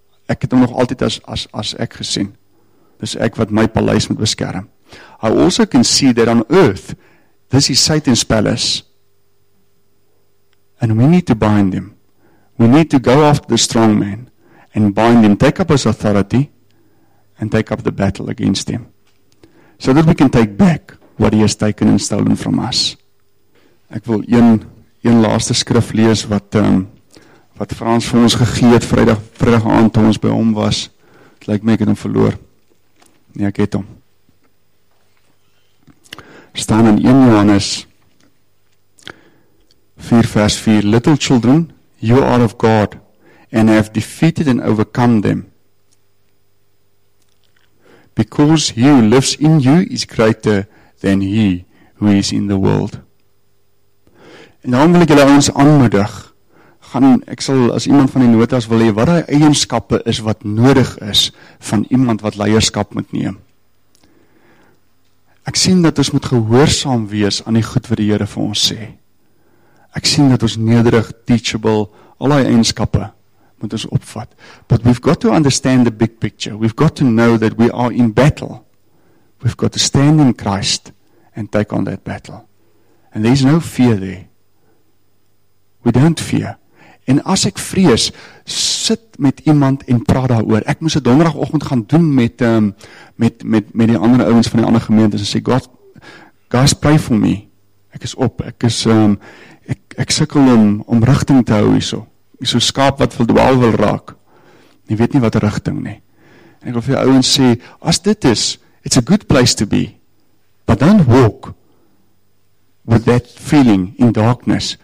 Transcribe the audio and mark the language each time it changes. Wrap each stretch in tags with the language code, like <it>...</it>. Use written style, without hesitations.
<af>Ek het hom nog altyd as ek gesien. Dis ek wat my paleis moet beskerm.</af> <en>I also can see that on earth, this is Satan's palace. And we need to bind him. We need to go after the strong man and bind him, take up his authority and take up the battle against him. So that we can take back what he has taken and stolen from us.</en> <af>Ek wil een laaste skrif lees wat Frans vir ons gegee het Vrydag aand toe ons by hom was. Het lyk my ek het hom verloor. Nee, ek het hom. Staan in 1 Johannes 4 vers 4.</af> <en>Little children, you are of God and have defeated and overcome them. Because he who lives in you is greater than he who is in the world.</en> <af>En daarom wil ek julle ons aanmoedig. Ek sal as iemand van die notas wil hê wat daai eienskappe is wat nodig is van iemand wat leierskap moet neem. Ek sien dat ons moet gehoorsaam wees aan die goed wat die Here vir ons sê. Ek sien dat ons nederig, teachable, al die eienskappe moet ons opvat.</af> <en>But we've got to understand the big picture. We've got to know that we are in battle. We've got to stand in Christ and take on that battle. And there's no fear there. We don't fear.</en> <af>En as ek vrees, sit met iemand en praat daaroor. Ek moes 'n donderdagoggend gaan doen met die ander ouens van die ander gemeente en sê</af> <en>God pray for me.</en> <af>Ek is op. Ek is ek sukkel om rigting te hou hierso. Hierso skaap wat verdwaal wil raak. Jy weet nie watter rigting nie. En ek wil vir die ouens sê, as dit is,</af> <en>it's a good place to be. But don't walk with that feeling in darkness.</en>